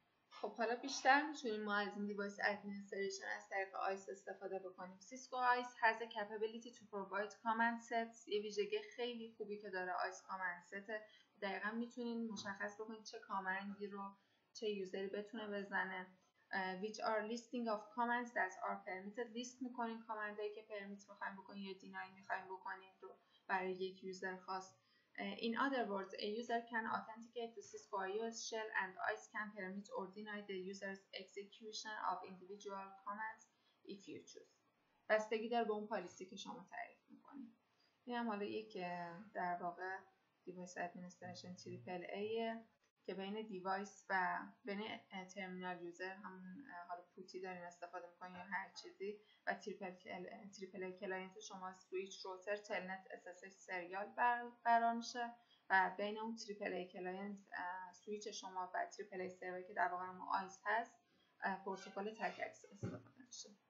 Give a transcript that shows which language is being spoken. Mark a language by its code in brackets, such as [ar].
[fa] خب حالا بیشتر میتونیم ما از این دیوایس ادمنستریشن از طریق آیس استفاده بکنیم. [en] Cisco ISE has a capability to provide command sets. [fa] یه ویژگی خیلی خوبی که داره آیس [en] command set [fa] دقیقاً میتونین مشخص بکنید چه کامندی رو چه یوزری بتونه بزنه. [en] Which are listing of commands that are permitted. [fa] لیست میکنین کامندهایی که پرمیت میخواییم بکنین یا دینایی میخواییم بکنین رو برای یک یوزر خاص. [en] In other words, a user can authenticate the Cisco IOS shell and ICE can permit or deny the user's execution of individual commands if you choose. [fa] بستگی داره به اون پالیسی که شما تعریف میکنین. این هم حالا یک در واقع Device Administration AAA که بین دیوایس و بین ترمینال یوزر هم حالا پوتی دارین استفاده میکنین یا هر چیزی و تریپل کلاینت شما سویچ روتر تلنت SSH سریال برانشه و بین اون تریپل کلاینت سویچ شما و تریپل سرور که در واقع هم آیس هست پروتکل تک اکسس استفاده میشه.